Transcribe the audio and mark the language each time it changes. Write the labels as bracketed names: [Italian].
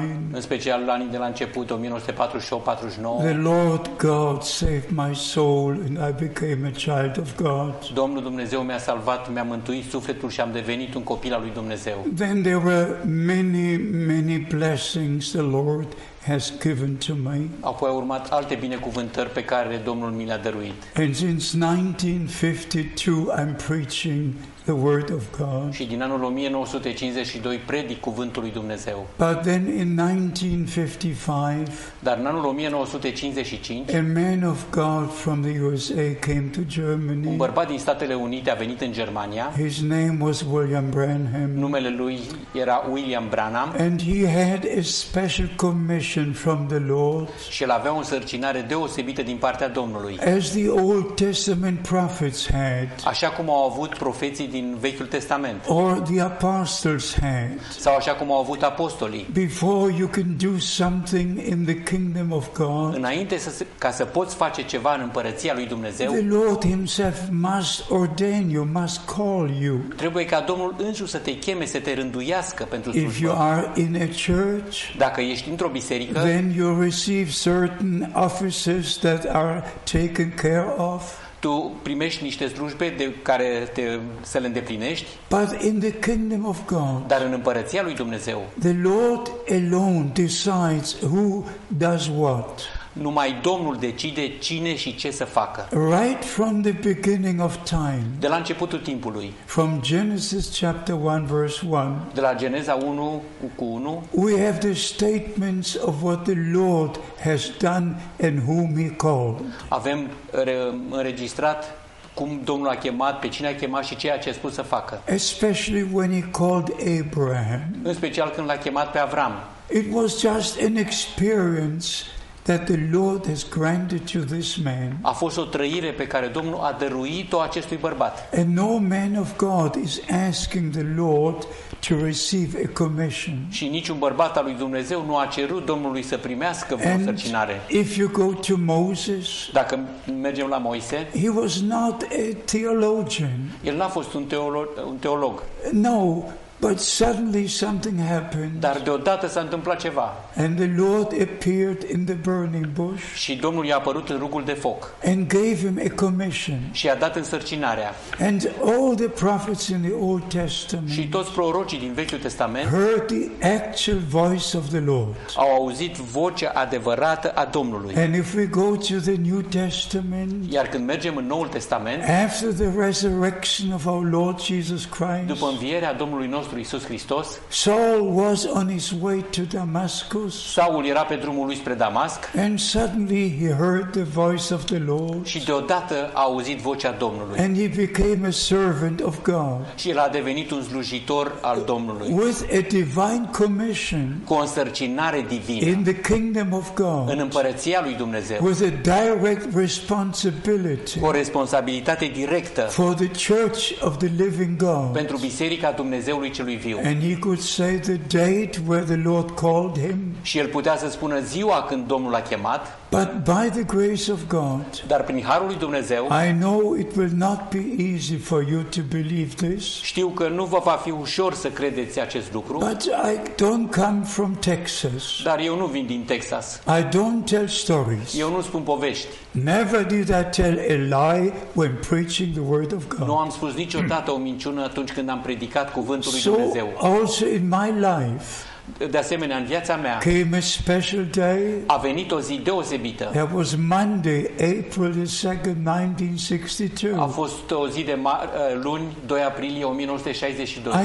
[Romanian] În special anii de la început, 1948-49. [English] The Lord God saved my soul and I became a child of God. [Romanian] Domnul Dumnezeu mi-a salvat, mi-a mântuit sufletul și am devenit un copil al lui Dumnezeu. [English] Then there were many, many blessings the Lord has given to me. [Romanian] Apoi au urmat alte binecuvântări pe care Domnul mi le-a dăruit. [English] And since 1952 I'm preaching the word of God. [Romanian] Și din anul 1952 predic cuvântul lui Dumnezeu. [English] But then in 1955, [Romanian] dar în anul 1955, [English] a man of God from the USA came to Germany. [Romanian] Un bărbat din Statele Unite a venit în Germania. [English] His name was William Branham. [Romanian] Numele lui era William Branham. [English] And he had a special commission from the Lord. [Romanian] Și el avea o însărcinare deosebită din partea Domnului. [English] As the Old Testament prophets had. [Romanian] Așa cum au avut profeții din Vechiul Testament. [English] Or the apostles had. [Romanian] Sau așa cum au avut apostolii. [English] Before you can do something in the kingdom of God. [Romanian] Înainte să ca să poți face ceva în împărăția lui Dumnezeu. [English] The Lord himself must ordain you, must call you. [Romanian] Trebuie ca Domnul însuși să te cheme, să te rânduiască pentru slujbă. [English] If you are in a church, [Romanian] dacă ești într-o biserică, [English] then you receive certain offices that are taken care of. [Romanian] Tu primești niște slujbe de care te să le îndeplinești. [English] But in the kingdom of God, [Romanian] dar în împărăția lui Dumnezeu, [English] the Lord alone decides who does what. [Romanian] Numai Domnul decide cine și ce să facă. [English] Right from the beginning of time. [Romanian] De la începutul timpului. [English] From Genesis chapter 1 verse 1. [Romanian] De la Geneza 1:1. [English] We have the statements of what the Lord has done and whom he called. [Romanian] Avem înregistrat cum Domnul a chemat, pe cine a chemat și ceea ce a spus să facă. [English] Especially when he called Abraham. [Romanian] În special când l-a chemat pe Avram. [English] It was just an experience that the Lord has granted to this man. [Romanian] A fost o trăire pe care Domnul a dăruit-o acestui bărbat. [English] And no man of God is asking the Lord to receive a commission. [Romanian] Și niciun bărbat al lui Dumnezeu nu a cerut Domnului să primească o sărcinare. [English] If you go to Moses, [Romanian] dacă mergem la Moise, [English] he was not a theologian. [Romanian] El n-a fost un teolog. [English] No. But suddenly something happened. [Romanian] Dar deodată s-a întâmplat ceva. [English] And the Lord appeared in the burning bush. [Romanian] Și Domnul i-a apărut în rugul de foc. [English] And gave him a commission. [Romanian] Și i-a dat însărcinarea. [English] And all the prophets in the Old Testament. [Romanian] Și toți prorocii din Vechiul Testament. [English] Heard the actual voice of the Lord. [Romanian] Au auzit vocea adevărată a Domnului. [English] And if we go to the New Testament. [Romanian] Iar când mergem în Noul Testament. [English] After the resurrection of our Lord Jesus Christ. [Romanian] După învierea Domnului nostru Iisus Hristos. [English] Saul was on his way to Damascus. [Romanian] Saul era pe drumul lui spre Damasc. [English] And suddenly he heard the voice of the Lord. [Romanian] Și deodată a auzit vocea Domnului. [English] And he became a servant of God. [Romanian] Și el a devenit un slujitor al Domnului. [English] With a divine commission. [Romanian] Cu o însărcinare divină. [English] In the kingdom of God. [Romanian] În împărăția lui Dumnezeu. [English] With a direct responsibility. [Romanian] O responsabilitate directă. [English] For the church of the living God. [Romanian] Pentru biserica Dumnezeu. [English] And he could say the date where the Lord called him. [Romanian] Și el putea să spună ziua când Domnul l-a chemat. [English] But by the grace of God. [Romanian] Dar prin harul lui Dumnezeu. [English] I know it will not be easy for you to believe this. [Romanian] Știu că nu vă va fi ușor să credeți acest lucru. [English] But I don't come from Texas. [Romanian] Dar eu nu vin din Texas. [English] I don't tell stories. [Romanian] Eu nu spun povești. [English] Never did I tell a lie when preaching the word of God. [Romanian] Nu am spus niciodată o minciună atunci când am predicat cuvântul lui [English] so, [Romanian] Dumnezeu. [English] Also in my life. [Romanian] De asemenea, în viața mea. [English] Came a special day. [Romanian] A venit o zi deosebită. [English] It was Monday, April the 2nd, 1962. [Romanian] A fost o zi de luni, 2 aprilie 1962.